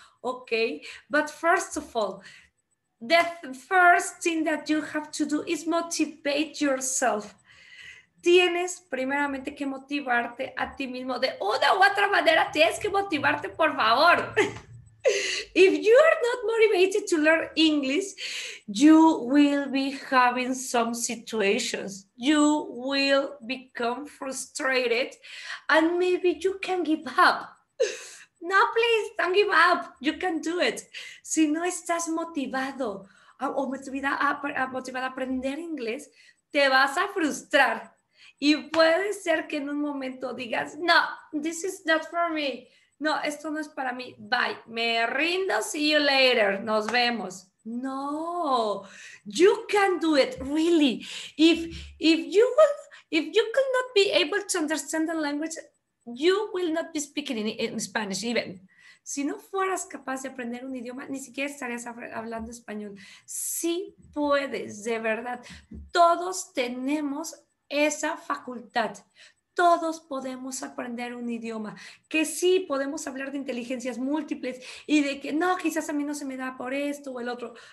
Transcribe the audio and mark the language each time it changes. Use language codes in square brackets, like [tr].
[en] Ok, but first of all, the first thing that you have to do is motivate yourself. [es] Tienes primeramente que motivarte a ti mismo. De una u otra manera, tienes que motivarte, por favor. [en] If you are not motivated to learn English, you will be having some situations. You will become frustrated and maybe you can give up. No, please, don't give up. You can do it. [es] Si no estás motivado o motivada a aprender inglés, te vas a frustrar. Y puede ser que en un momento digas, no, [en] this is not for me. [es] No, esto no es para mí. Bye. Me rindo. [en] See you later. [es] Nos vemos. [en] No, you can do it, really. If you could not be able to understand the language, you will not be speaking in Spanish even. [es] Si no fueras capaz de aprender un idioma, ni siquiera estarías hablando español. Sí puedes, de verdad. Todos tenemos esa facultad. Todos podemos aprender un idioma. Que sí podemos hablar de inteligencias múltiples y de que no, quizás a mí no se me da por esto o el otro.